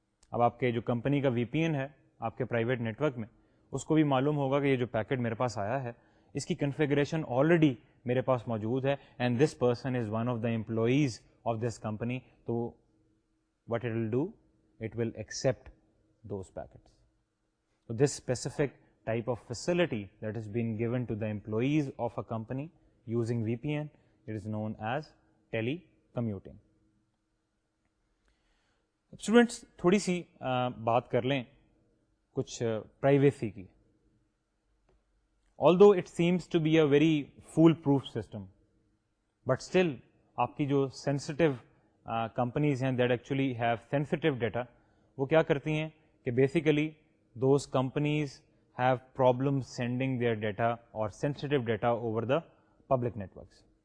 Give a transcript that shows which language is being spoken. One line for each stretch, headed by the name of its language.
Urdu: اب آپ کے جو کمپنی کا وی پی این ہے آپ کے پرائیویٹ نیٹورک میں اس کو بھی معلوم ہوگا کہ یہ جو پیکٹ میرے پاس آیا ہے اس کی کنفیگریشن آلریڈی میرے پاس موجود ہے
English: And this person is one of the employees of this company. تو what it will do it will accept those packets. تو this specific type of facility that is been given to the employees of a company using we P N it is known as tele commuting.
Urdu: Students تھوڑی سی بات کر لیں کچھ privacy کی.
English: although it seems to be a very fool proof system but still
Urdu: آپ کی جو sensitive companies ہیں
English: that actually have sensitive data
Urdu: وہ کیا کرتی ہیں کہ
English: Basically those companies have problem sending their data اور sensitive data over the public networks.